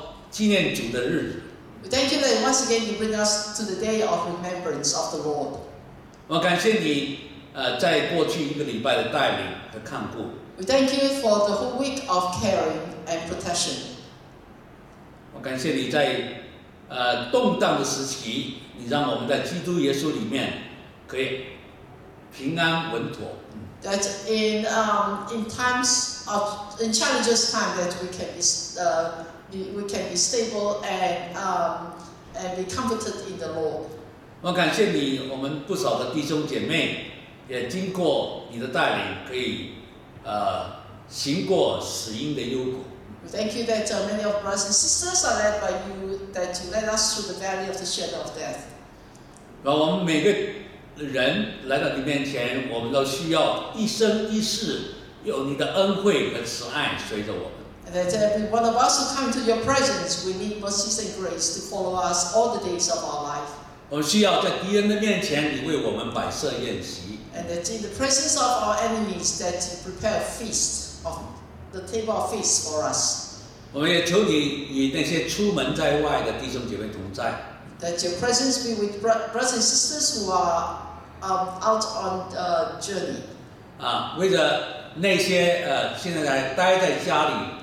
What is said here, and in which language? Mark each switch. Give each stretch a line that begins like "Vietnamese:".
English: We thank you that once again you bring us to the day of remembrance of the Lord.
Chinese: 我感谢你，在过去一个礼拜的带领和看顾。
English: We thank you for the whole week of caring and protection.
Chinese: 我感谢你在，动荡的时期，你让我们在基督耶稣里面可以平安稳妥。
English: That in times of in challenges time that we can be stable and be comforted in the Lord.
Chinese: 我感谢你，我们不少的弟兄姐妹也经过你的带领，可以行过死荫的幽谷。
English: We thank you that many of brothers and sisters are led by you, that you led us through the valley of the shadow of death.
Chinese: 让我们每个人来到你面前，我们都需要一生一世有你的恩惠和慈爱随着我们。
English: That every one of us who come to your presence, we need mercies and grace to follow us all the days of our life.
Chinese: 我需要在敌人的面前，你为我们摆设宴席。
English: And that in the presence of our enemies, that you prepare a feast of the table of feast for us.
Chinese: 我们也求你与那些出门在外的弟兄姐妹同在。
English: That your presence be with brothers and sisters who are out on the journey.
Chinese: 为着那些现在在待在家里。